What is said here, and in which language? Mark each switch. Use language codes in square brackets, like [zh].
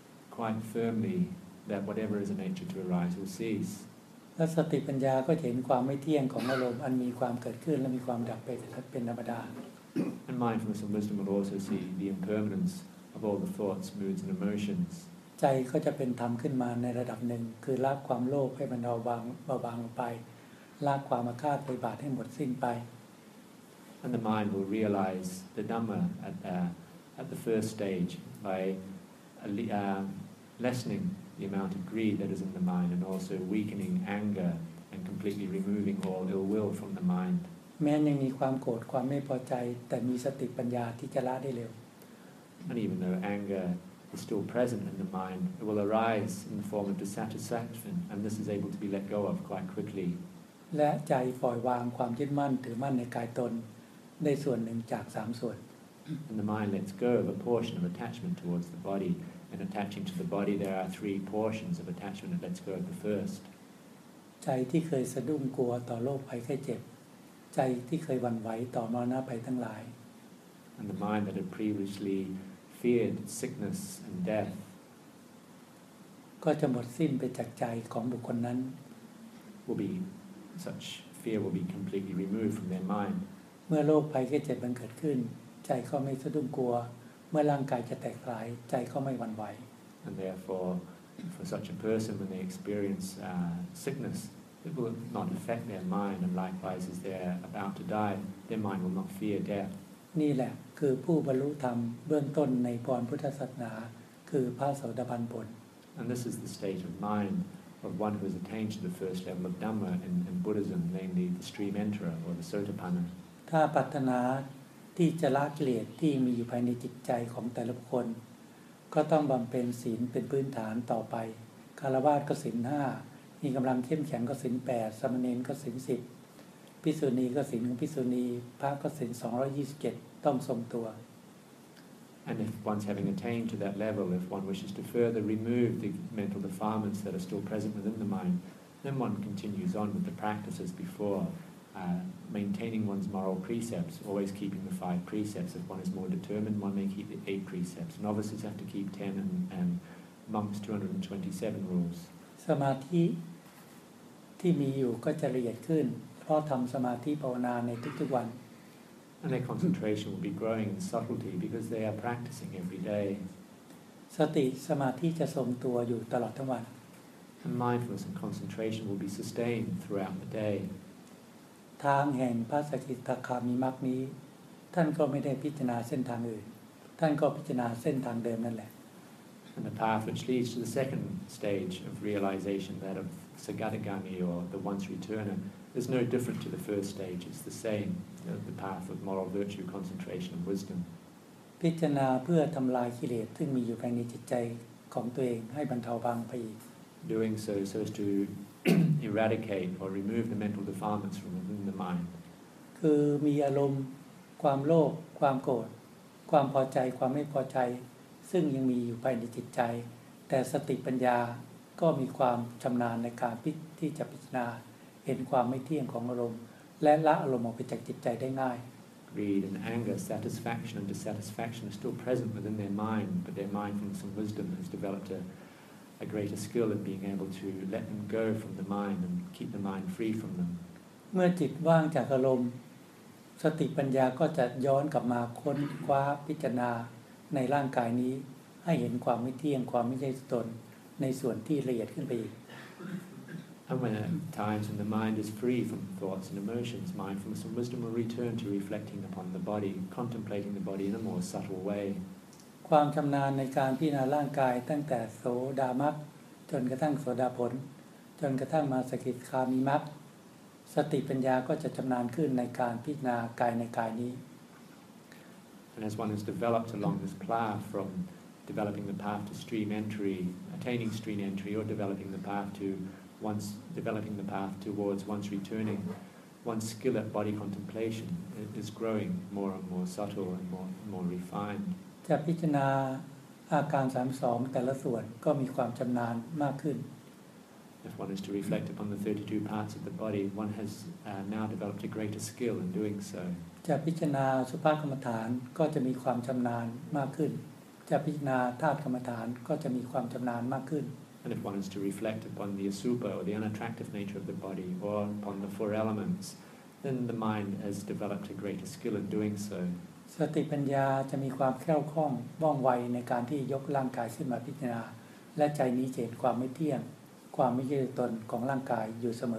[en] Quite firmly that whatever is a nature to arise will cease. [th] และสติปัญญาก็เห็นความไม่เที่ยงของอารมณ์อันมีความเกิดขึ้นและมีความดับไปเป็นธรรมดา [en] And mindfulness and wisdom will also see the impermanence of all the thoughts, moods, and emotions. [th] ใจก็จะเป็นธรรมขึ้นมาในระดับหนึ่งคือละความโลภให้มันเบาบางลงไปละความอาฆาตพยาบาทให้หมดสิ้นไป [en] And the mind will realize the Dhamma at the first stage bylessening the amount of greed that is in the mind and also weakening anger and completely removing all ill will from the mind. [th] แม้ยังมีความโกรธความไม่พอใจแต่มีสติปัญญาที่จะละได้เร็ว [en] And even though anger is still present in the mind, it will arise in the form of dissatisfaction and this is able to be let go of quite quickly. [th] และใจปล่อยวางความยึดมั่นถือมั่นในกายตนในส่วนหนึ่งจากสามส่วน [en] And the mind lets go of a portion of attachment towards the body. And attaching to the body, there are three portions of attachment. It lets go of the first. [th] ใจที่เคยสะดุ้งกลัวต่อโรคภัยไข้เจ็บใจที่เคยหวั่นไหวต่อมรณะภัยทั้งหลาย [en] And the mind that had previously feared sickness and death. [th] ก็จะหมดสิ้นไปจากใจของบุคคลนั้น [en] will be such fear will be completely removed from their mind [th] เมื่อโรคภัยแค่เจ็บมันเกิดขึ้นใจก็ไม่สะดุ้งกลัวเมื่อร่างกายจะแตกร้ายใจก็ไม่หวั่นไหว [en] and therefore for such a person when they experience sicknessit will not affect their mind and likewise as they're about to die their mind will not fear death [th] นี่แหละคือผู้บรรลุธรรมเบื้องต้นในพรพุทธศาสนาคือพระโสดาบันผล [en] and this is the state of mind of one who has attained to the first level of dhamma in Buddhism namely the stream enterer or the sotapanna [th] ถ้าปรารถนาที่จะละกิเลสที่มีอยู่ภายในจิตใจของแต่ละคนก็ต้องบำเพ็ญศีลเป็นพื้นฐานต่อไปคารวะก็ศีล5มีกำลังเข้มแข็งก็ศีล8สามเณรก็ศีล10ภิกษุณีก็ศีลของภิกษุณีพระก็ศีล227ต้องทรงตัว [en] And if one's having attained to that level if one wishes to further remove the mental defilements that are still present within the mind then one continues on with the practices before maintaining one's moral precepts always keeping the 5 precepts if one is more determined one may keep the 8 precepts novices have to keep 10 and monks 227 rules [th] สมาธิที่มีอยู่ก็จะละเอียดขึ้นเพราะทำสมาธิภาวนาในทุกๆวัน [en] And their concentration will be growing in subtlety because they are practicing every day. [th] สติสมาธิจะทรงตัวอยู่ตลอดทั้งวัน [en] And mindfulness and concentration will be sustained throughout the day. [th] ทางแห่งพระสกิทาคามีมรรคนี้ท่านก็ไม่ได้พิจารณาเส้นทางอื่นท่านก็พิจารณาเส้นทางเดิมนั่นแหละ [en] And the path which leads to the second stage of realization, that of Sagatagami or the once returner, is no different to the first stage. It's the same, the path of moral virtue, concentration, and wisdom. [th] พิจารณาเพื่อทำลายกิเลสซึ่งมีอยู่ภายในจิตใจของตัวเองให้บรรเทาบางไป [en] Doing so so as to eradicate or remove the mental defilements from within the mind. [th] คือมีอารมณ์ความโลภความโกรธความพอใจความไม่พอใจซึ่งยังมีอยู่ภายในจิตใจแต่สติปัญญาก็มีความชำนาญในการที่จะพิจารณาเห็นความไม่เที่ยงของอารมณ์และละอารมณ์ออกไปจากจิตใจได้ง่าย [en] Greed and anger, satisfaction and dissatisfaction are still present within their mind but their mindfulness and wisdom has developed a greater skill in being able to let them go from the mind and keep the mind free from them [th] เมื่อจิตว่างจากอารมณ์สติปัญญาก็จะย้อนกลับมาค้นคว้าพิจารณาในร่างกายนี้ให้เห็นความไม่เที่ยงความไม่ใช่ตนในส่วนที่ละเอียดขึ้นไปอีก [en] And when times when the mind is free from thoughts and emotions, mindfulness and wisdom will return to reflecting upon the body, contemplating the body in a more subtle way. [th] ความชำนาญในการพิจารณาร่างกายตั้งแต่โสดามรรคจนกระทั่งโสดาผลจนกระทั่งมาสกิทาคามิมรรคสติปัญญาก็จะชำนาญขึ้นในการพิจารณากายในกายนี้ [en] And as one has developed along this path from developing the path to stream entry, attaining stream entry, or developing the path to once developing the path towards once returning, one's skill at body contemplation is growing more and more subtle and more refined. [th] จะพิจารณาอาการ32แต่ละส่วนก็มีความชำนาญมากขึ้น [en] If one is to reflect upon the 32 parts of the body, one has now developed a greater skill in doing so. [th] จะพิจารณาสุภาพกรรมฐานก็จะมีความชำนาญมากขึ้นจะพิจารณาธาตุกรรมฐานก็จะมีความชำนาญมากขึ้น [en] And if one is to reflect upon the asupa or the unattractive nature of the body or upon the four elements then the mind has developed a greater skill in doing so [th] สติปัญญาจะมีความแคล่วคล่องว่องไวในการที่ยกร่างกายขึ้นมาพิจารณาและใจนี้จะเห็นความไม่เที่ยงความไม่ใช่ตนของร่างกายอยู่เสม